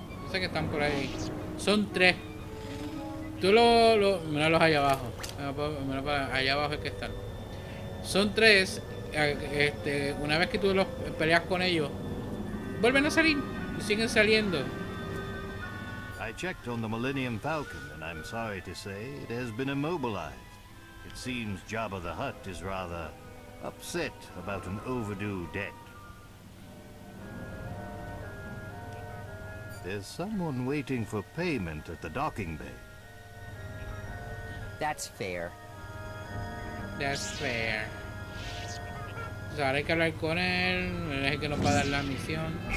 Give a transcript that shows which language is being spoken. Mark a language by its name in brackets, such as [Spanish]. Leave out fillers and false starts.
[Spanish] Sé que están por ahí. Son tres. Tú mira los allá abajo. Allá abajo es que están. Son tres. Una vez que tú los peleas con ellos, vuelven a salir. Y siguen saliendo. [English] I checked on the Millennium Falcon, and I'm sorry to say it has been immobilized. It seems Jabba the Hutt is rather upset about an overdue debt. There's someone waiting for payment at the docking bay. That's fair. [Spanish] O sea, ahora hay que hablar con él, él es el que nos va a dar la misión.